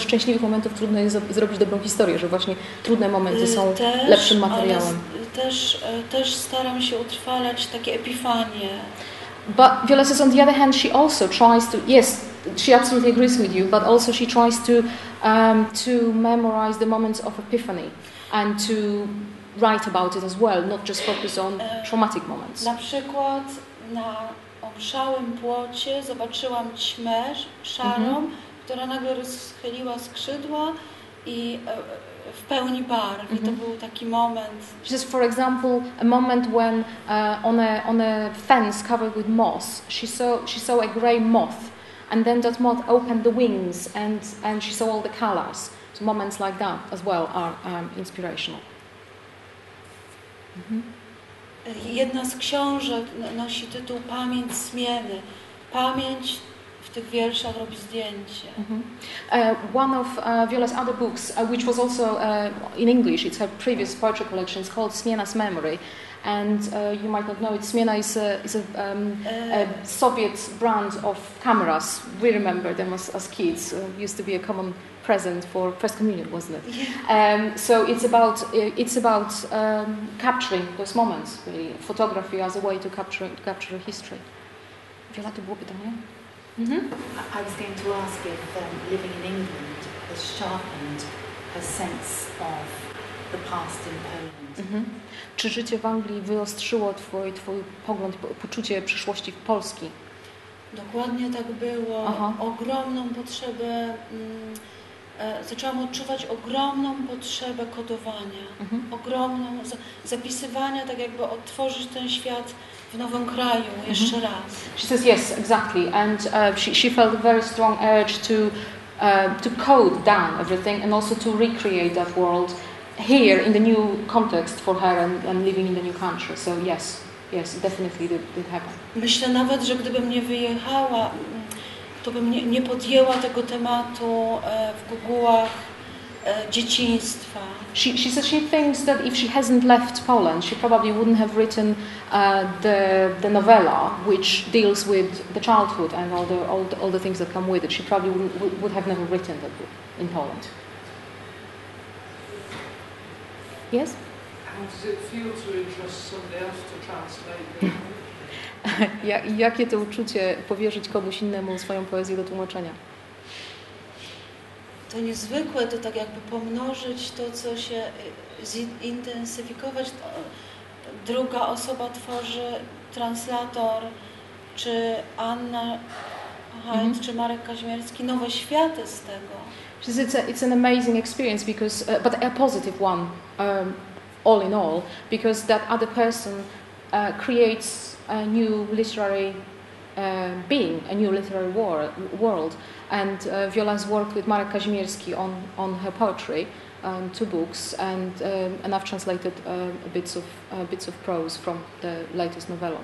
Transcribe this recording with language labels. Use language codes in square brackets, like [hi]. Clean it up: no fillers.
[pl] szczęśliwych momentów trudno jest zrobić dobrą historię, że właśnie trudne momenty są też lepszym materiałem. Też staram się utrwalać takie epifanie. [en] But Viola says, on the other hand, she also tries to, yes, she absolutely agrees with you, but also she tries to memorize the moments of epiphany and to write about it as well, not just focus on traumatic moments. [pl] Na przykład na obszałym płocie zobaczyłam ćmę szarą, mm-hmm. która nagle rozchyliła skrzydła i w pełni barw. Mm-hmm. I to był taki moment. [en] Just for example, a moment when on a fence covered with moss, she saw a grey moth, and then that moth opened the wings and she saw all the colors. So moments like that as well are inspirational. [pl] Jedna z książek nosi tytuł Pamięć zmiany. Pamięć w tych wierszach robi zdjęcie. [en] One of Viola's other books, which was also in English, it's her previous poetry collection, it's called Smiena's Memory. And you might not know it, Smiena is a Soviet brand of cameras. We remember them as kids. Used to be a common present for First Communion, wasn't it? Yeah. So it's about capturing those moments, really. Photography as a way to capture history. Would you like to book it on here? I was going to ask if living in England has sharpened her sense of the past in Poland. Mm-hmm. [pl] Czy życie w Anglii wyostrzyło twój pogląd, poczucie przyszłości w Polski? Dokładnie tak było. Uh-huh. Ogromną potrzebę, zaczęłam odczuwać ogromną potrzebę kodowania, mm-hmm. ogromną zapisywania, tak jakby odtworzyć ten świat w nowym kraju jeszcze raz. [en] She says yes, exactly, and she felt a very strong urge to code down everything and also to recreate that world here in the new context for her and living in the new country. So yes, definitely did happen. [pl] Myślę nawet, że gdybym nie wyjechała, to bym nie podjęła tego tematu w gogułach dzieciństwa. [en] She says she thinks that if she hasn't left Poland, she probably wouldn't have written the novella which deals with the childhood and all the things that come with it. She probably would have never written that book in Poland. Yes? How does it feel to entrust somebody else to translate the [pl] Jakie to uczucie powierzyć komuś innemu swoją poezję do tłumaczenia? To niezwykłe, to tak jakby pomnożyć to, co się zintensyfikować. Druga osoba tworzy, translator, czy Anna Hyde, mm-hmm. czy Marek Kaźmierski, nowe światy z tego. [en] It's an amazing experience, because but a positive one, all in all, because that other person creates a new literary being, a new literary world. And Viola's worked with Marek Kaźmierski on her poetry, two books, and I've translated bits of prose from the latest novella.